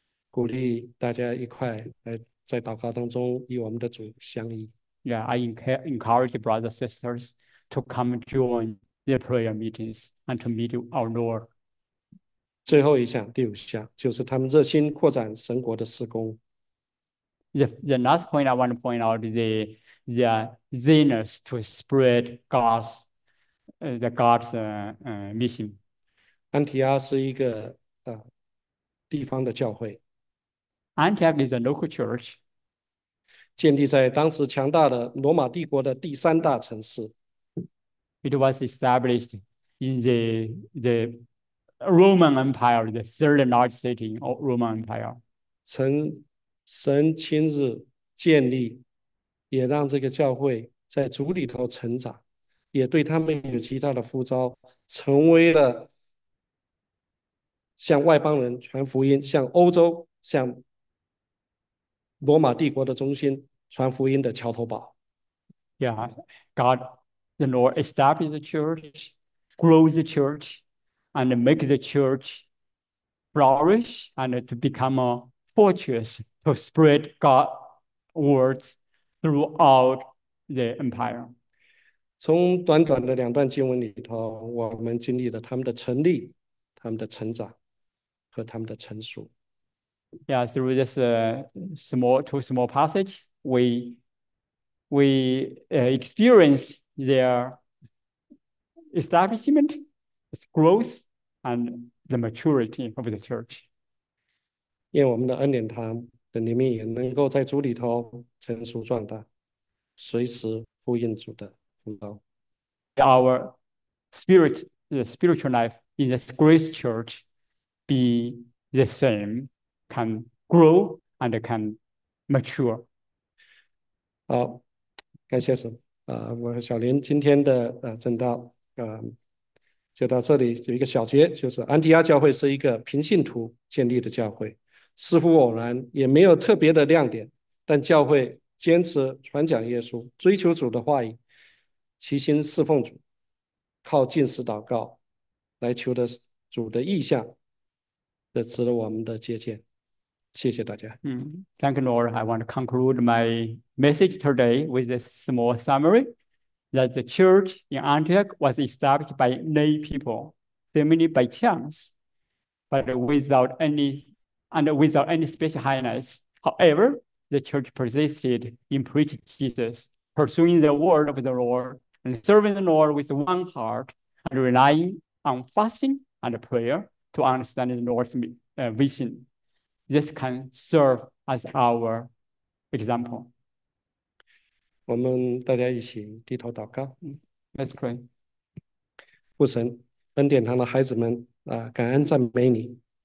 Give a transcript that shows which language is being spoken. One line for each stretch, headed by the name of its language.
Chinese: 鼓励大家一块来在祷告当中与我们的主相依。
English: Yeah, I encourage brothers and sisters to come join the prayer meetings and to meet our Lord.
Chinese: 最后一项，第五项，就是他们热心扩展神国的事工。
English: The last point I want to point out is the zealous to spread God's mission.
Chinese: 安提阿是一个地方的教会。
English: Antioch is a local church.
Chinese: 建立在当时强大的罗马帝国的第三大城市。
English: It was established in the Roman Empire, the third largest city in Roman Empire.
Chinese: 神亲自建立，也让这个教会在主里头成长，也对他们有极大的呼召，成为了向外邦人传福音、向欧洲、向罗马帝国的中心传福音的桥头堡。
English: Yeah, God, the Lord established the church, grow the church, and make the church flourish and to become a fortress to spread God's words throughout the empire.
Chinese: 从短短的两段经文里头，我们经历了他们的成立、他们的成长和他们的成熟。
English: Yeah, through this two small passage, we experience their establishment, growth, and the maturity of the church.
Chinese: 愿我们的恩典堂的灵命也能够在主里头成熟壮大，随时呼应主的呼召。
English: Our spirit, the spiritual life in this great church be the same, can grow and can mature.
Chinese: 好，感谢神。我和小林今天的正道，就到这里。有一个小结，就是安提阿教会是一个平信徒建立的教会，似乎偶然，也没有特别的亮点。但教会坚持传讲耶稣，追求主的话语，齐心侍奉主，靠进食祷告来求得主的意向，这值得我们的借鉴。谢谢大家。
English: Thank you, Lord. I want to conclude my message today with a small summary that the church in Antioch was established by lay people, seemingly by chance, but without any special highness. However, the church persisted in preaching Jesus, pursuing the word of the Lord, and serving the Lord with one heart, and relying on fasting and prayer to understand the Lord's vision. This can serve as our example.
Chinese: 我们大家一起低头祷告。
English: Let's pray.
Chinese: 父神，恩典堂的孩子们，感恩赞美你。